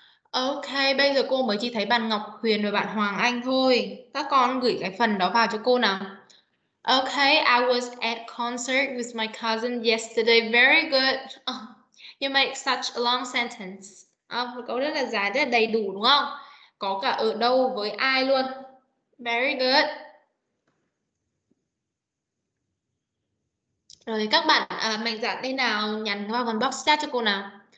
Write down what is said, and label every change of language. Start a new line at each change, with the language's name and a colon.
Vietnamese: Ok, bây giờ cô mới chỉ thấy bạn Ngọc Huyền và bạn Hoàng Anh thôi. Các con gửi cái phần đó vào cho cô nào.
English: Ok, I was at concert with my cousin yesterday. Very good. Oh, you make such a long sentence.
Vietnamese: Oh, câu rất là dài, rất là đầy đủ đúng không? Có cả ở đâu với ai luôn.
English: Very good.
Vietnamese: Rồi các bạn mạnh dạn lên nào, nhắn vào phần box chat cho cô nào.